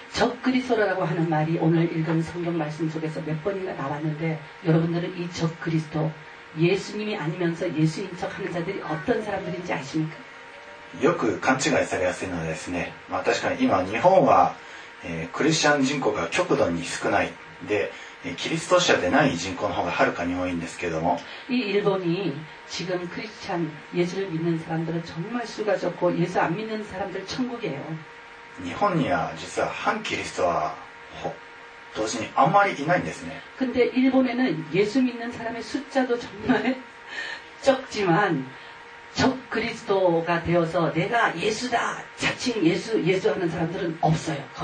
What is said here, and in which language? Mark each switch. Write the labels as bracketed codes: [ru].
[ko] 적그리스도라고하는말이오늘읽은성경말씀속에서몇번이나나왔는데여러분들은이적그리스도예수님이아니면서예수인척하는자들이어떤사람들인지아십니까 [ja] よく勘違いされやすいのはですね、まあ、確かに今日本はクリスチャン人口が極度に少ないで、キリスト者でない人口の方がはるかに多いんですけれども、 [ko] 이일본이지금크리스찬예수를믿는사람들은정말수가적고예수안믿는사람들천국이에요 [ja] 日本には実は反キリストは同時にあんまりいないんですね。 [ko] 근데일본에는예수믿는사람의숫자도정말적지만적그리스도가되어서내가예수다자칭예수예수하는사람들은없어요거의